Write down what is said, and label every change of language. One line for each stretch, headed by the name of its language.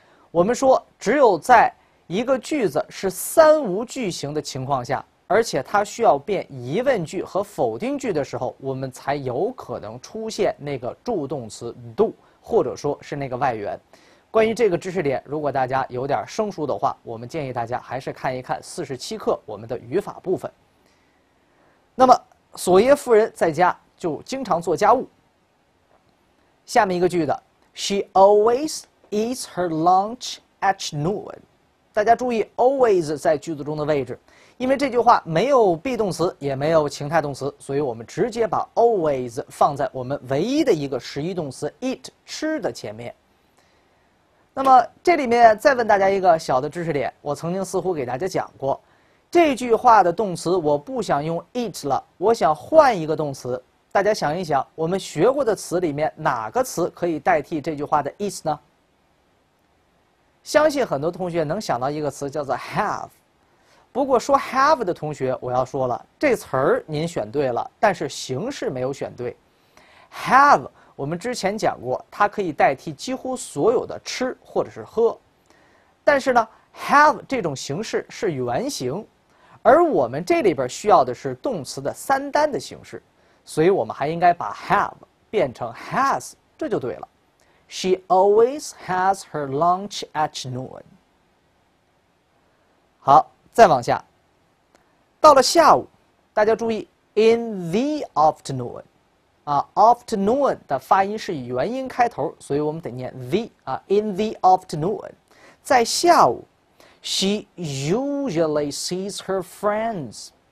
Chinese: 我们说只有在一个句子是三无句型的情况下，而且它需要变疑问句和否定句的时候，我们才有可能出现那个助动词 do， 或者说是那个外源。关于这个知识点，如果大家有点生疏的话，我们建议大家还是看一看47课我们的语法部分。那么索耶夫人在家就经常做家务。下面一个句子，
English: She always eats her lunch at noon。
Chinese: 大家注意 always 在句子中的位置，因为这句话没有 be 动词，也没有情态动词，所以我们直接把 always 放在我们唯一的一个实义动词 eat 吃的前面。那么这里面再问大家一个小的知识点，我曾经似乎给大家讲过，这句话的动词我不想用 eat 了，我想换一个动词。大家想一想，我们学过的词里面哪个词可以代替这句话的 eat 呢？相信很多同学能想到一个词，叫做 have。不过说 have 的同学，我要说了，这词儿您选对了，但是形式没有选对。 have 我们之前讲过，它可以代替几乎所有的吃或者是喝，但是呢 have 这种形式是原形，而我们这里边需要的是动词的三单的形式，所以我们还应该把 have 变成 has， 这就对了。
English: She always has her lunch at noon。
Chinese: 好，再往下，到了下午，大家注意
English: in the afternoon，
Chinese: 啊 ，afternoon 的发音是以元音开头，所以我们得念 the 啊 ，in the afternoon， 在下午 ，
English: she usually sees her friends。